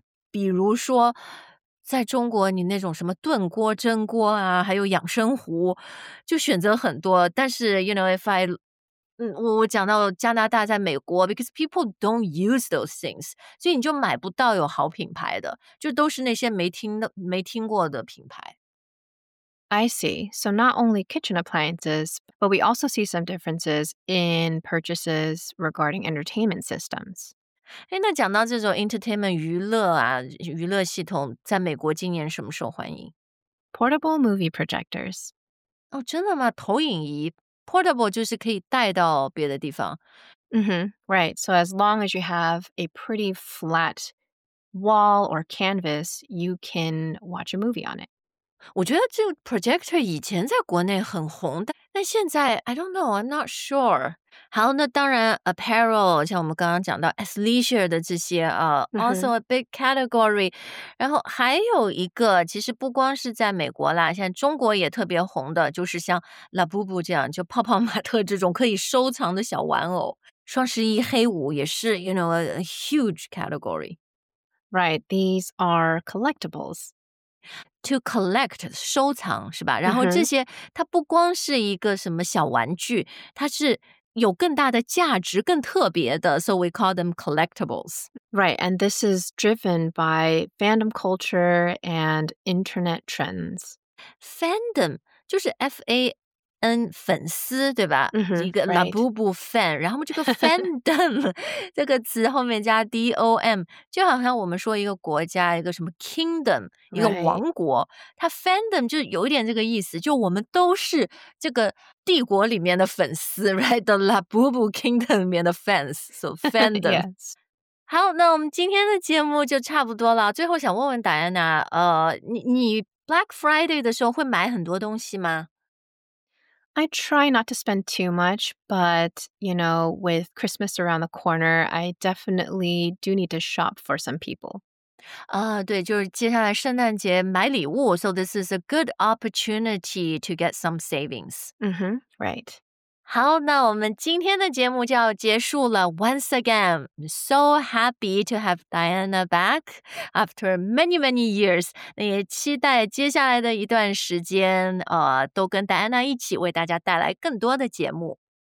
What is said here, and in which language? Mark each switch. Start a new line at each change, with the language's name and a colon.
Chinese: 比如说，在中国你那种什么炖锅、蒸锅啊，还有养生壶，就选择很多。但是
English: you know if I
Chinese: 我讲到加拿大，在美国 ，
English: because people don't use those things，
Chinese: 所以你就买不到有好品牌的，就都是那些没听过的品牌。
English: I see. So not only kitchen appliances, but we also see some differences in purchases regarding entertainment systems.
Chinese: 诶，那讲到这种 entertainment 娱乐啊，娱乐系统，在美国今年什么受欢迎？
English: Portable movie projectors.
Chinese: 哦，真的吗？投影仪 portable 就是可以带到别的地方。
English: Mm-hmm. Right. So as long as you have a pretty flat wall or canvas, you can watch a movie on it.
Chinese: 我觉得这个 projector 以前在国内很红，但现在
English: I don't know, I'm not sure.
Chinese: 好，那当然 apparel 像我们刚刚讲到 athleisure 的这些啊、
English: also a big category.
Chinese: 然后还有一个，其实不光是在美国啦，现在中国也特别红的，就是像 Labubu 这样，就泡泡玛特这种可以收藏的小玩偶。双十一黑五也是
English: you know a huge category. Right, these are collectibles.
Chinese: To collect, 收藏是吧？然后这些、mm-hmm. 它不光是一个什么小玩具，它是有更大的价值，更特别的。
English: So we call them collectibles. Right, and this is driven by fandom culture and internet trends.
Chinese: Fandom 就是 F-A-N 粉丝对吧？ Mm-hmm, 一个 Labubu fan，、
English: right.
Chinese: 然后这个 fandom 这个词后面加 D-O-M， 就好像我们说一个国家一个什么 kingdom。一个王国、
English: right.
Chinese: 它 fandom 就有一点这个意思，就我们都是这个帝国里面的粉丝
English: right the Labubu kingdom
Chinese: 里面的 fans so fandom 、
English: yes.
Chinese: 好，那我们今天的节目就差不多了，最后想问问 Diana 你 Black Friday 的时候会买很多东西吗？
English: I try not to spend too much, but you know with Christmas around the corner I definitely do need to shop for some people
Chinese: 对，就是接下来圣诞节买礼物
English: So this is a good opportunity to get some savings Mm-hmm, right
Chinese: 好，那我们今天的节目就要结束了
English: Once again, I'm so happy to have Diana back After many, many years
Chinese: 那也期待接下来的一段时间都跟 Diana 一起为大家带来更多的节目